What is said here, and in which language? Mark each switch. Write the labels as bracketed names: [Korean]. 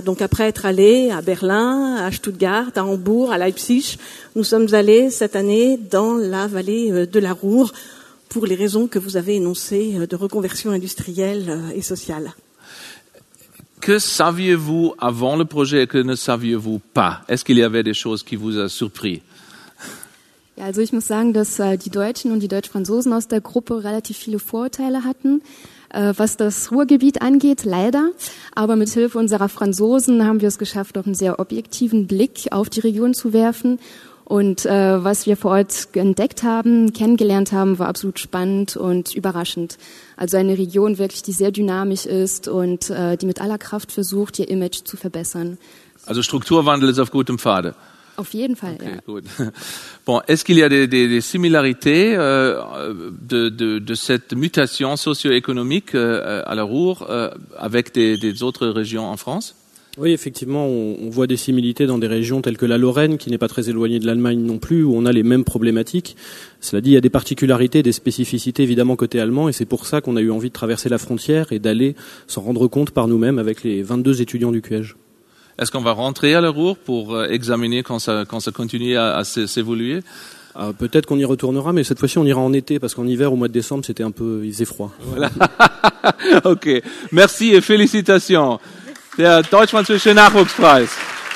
[French] Donc après être allé à Berlin, à Stuttgart, à Hambourg, à Leipzig, nous sommes allés cette année dans la vallée de la Ruhr pour les raisons que vous avez énoncées de reconversion industrielle et sociale. Que saviez-vous avant le projet et que ne saviez-vous pas? Est-ce qu'il y avait des choses qui vous ont surpris? [German] Ja, also ich muss sagen, dass die Deutschen und die Deutsch-Franzosen aus der Gruppe relativ viele Vorurteile hatten, was das Ruhrgebiet angeht, leider. Aber mit Hilfe unserer Franzosen haben wir es geschafft, auch einen sehr objektiven Blick auf die Region zu werfen. Und was wir vor Ort entdeckt haben, kennengelernt haben, war absolut spannend und überraschend. Also eine Region wirklich, die sehr dynamisch ist und die mit aller Kraft versucht, ihr Image zu verbessern. Also Strukturwandel ist auf gutem Pfade. Auf jeden Fall, okay, ja. Okay, gut. [French] Bon, est-ce qu'il y a des similarités de cette mutation socio-économique à la Ruhr avec des autres régions en France? Oui, effectivement, on voit des similitudes dans des régions telles que la Lorraine, qui n'est pas très éloignée de l'Allemagne non plus, où on a les mêmes problématiques. Cela dit, il y a des particularités, des spécificités, évidemment, côté allemand, et c'est pour ça qu'on a eu envie de traverser la frontière et d'aller s'en rendre compte par nous-mêmes avec les 22 étudiants du QEJ. Est-ce qu'on va rentrer à la Ruhr pour examiner quand ça continue à s'évoluer? Peut-être qu'on y retournera, mais cette fois-ci, on ira en été, parce qu'en hiver, au mois de décembre, il faisait froid. Voilà. OK. Merci et félicitations. [German] Der deutsch-französische Nachwuchspreis.